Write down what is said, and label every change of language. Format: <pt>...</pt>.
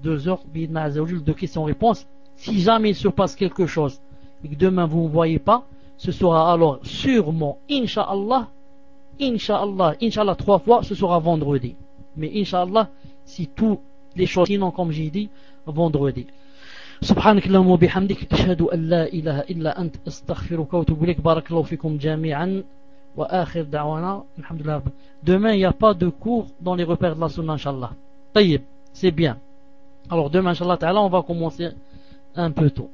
<fr>2 heures</fr> <ar>bi'idna azzawajal</ar> <fr>de questions-réponses. Si jamais il se passe quelque chose et que demain vous ne voyez pas, ce sera alors sûrement Inch'Allah, Inch'Allah, Inch'Allah 3 fois, ce sera vendredi. Mais Inch'Allah, si toutes les choses sinon comme j'ai dit, vendredi.</fr> <ar>سبحانك اللهم وبحمدك أشهد أن لا إله إلا أنت أستغفرك وأتوب إليك بارك الله فيكم جميعا وآخر دعوانا الحمد لله.</ar> <fr>Demain, il n'y a pas de cours dans les repères de la sunna, inshallah. Tayyib, c'est bien. Alors, demain, inshallah ta'ala, on va commencer un peu tôt.</fr>